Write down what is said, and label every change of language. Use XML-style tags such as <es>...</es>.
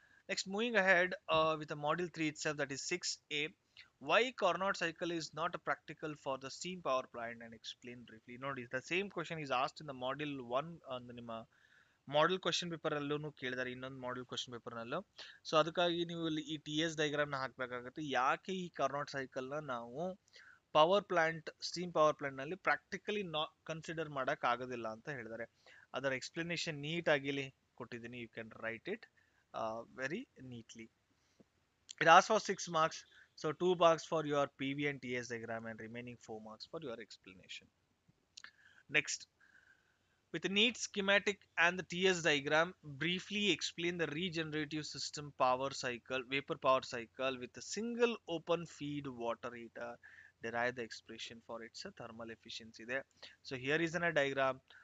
<en>Next, moving ahead with the module 3 itself, that is 6A, why Carnot cycle is not practical for the steam power plant, and explain briefly. Notice the same question is asked in the module 1 and</en> <kn>nimma model question paper ಅಲ್ಲೂ ಕೇಳಿದ್ದಾರೆ, ಇನ್ನೊಂದು model question paper ನಲ್ಲೂ. So ಅದಕ್ಕಾಗಿ ನೀವು ಇಲ್ಲಿ ಈ TS diagram ನ ಹಾಕ್ಬೇಕಾಗುತ್ತೆ, ಯಾಕೆ ಈ ಕಾರ್ನಾಟ್ ಸೈಕಲ್ ನ ನಾವು power plant steam power plant ನಲ್ಲಿ ಪ್ರಾಕ್ಟಿಕಲಿ ಕನ್ಸಿಡರ್ ಮಾಡಕ್ ಆಗೋದಿಲ್ಲ ಅಂತ ಹೇಳಿದ್ದಾರೆ. ಅದರ ಎಕ್ಸ್ಪ್ಲನೇಷನ್ ನೀಟ್ ಆಗಿ ಇಲ್ಲಿ ಕೊಟ್ಟಿದ್ದೀನಿ,</kn> <en>You can write it very neatly. It has for 6 marks, so 2 marks for your PV and TS diagram and remaining 4 marks for your explanation. Next, With a neat schematic and the TS diagram, briefly explain the regenerative system power cycle, vapor power cycle with a single open feed water heater. Derive the expression for its thermal efficiency there. So here is in a diagram.</en>